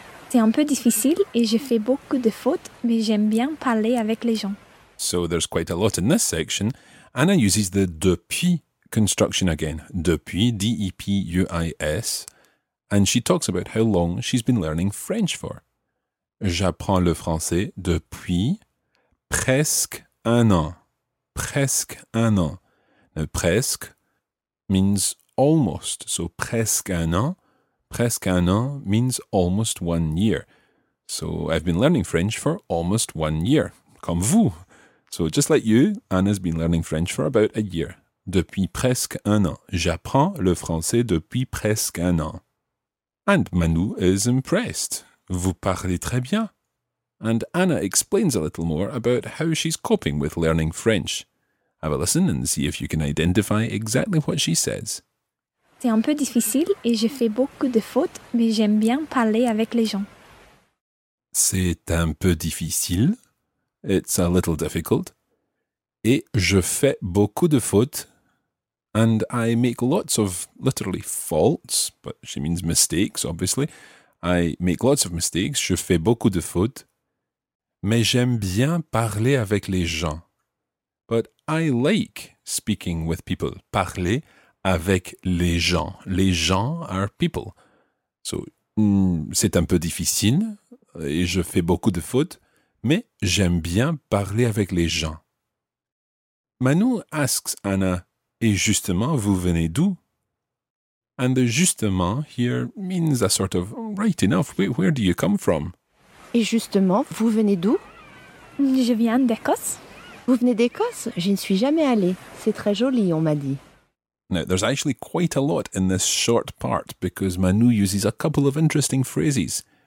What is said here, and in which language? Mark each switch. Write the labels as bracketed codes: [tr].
[fr] C'est un peu difficile et je fais beaucoup de fautes, mais j'aime bien parler avec les gens. [en] So there's quite a lot in this section. Anna uses the depuis construction again. Depuis, D-E-P-U-I-S. And she talks about how long she's been learning French for. [fr] J'apprends le français depuis presque 1 an. Presque 1 an. [en] Now, presque means almost, so [fr] presque un an [en] means almost 1 year. So I've been learning French for almost 1 year, [fr] comme vous. [en] So just like you, Anna's been learning French for about a year. [fr] Depuis presque un an. J'apprends le français depuis presque un an. [en] And Manu is impressed. [fr] Vous parlez très bien. [en] And Anna explains a little more about how she's coping with learning French. Have a listen and see if you can identify exactly what she says. [fr] C'est un peu difficile et je fais beaucoup de fautes, mais j'aime bien parler avec les gens. C'est un peu difficile. [en] It's a little difficult. [fr] Et je fais beaucoup de fautes. [en] And I make lots of, literally, faults, but she means mistakes, obviously. I make lots of mistakes. [fr] Je fais beaucoup de fautes. Mais j'aime bien parler avec les gens. [en] But I like speaking with people. [fr] Parler avec les gens. [en] Les gens are people. [fr] So, c'est un peu difficile et je fais beaucoup de fautes, mais j'aime bien parler avec les gens. [en] Manu asks Anna, [fr] et justement, vous venez d'où? [en] And the justement here means a sort of, right enough, where do you come from? [fr] Et justement, vous venez d'où? Je viens d'Écosse. Vous venez d'Écosse? Je ne suis jamais allée. C'est très joli, on m'a dit. [en] Now, there's actually quite a lot in this short part because Manu uses a couple of interesting phrases.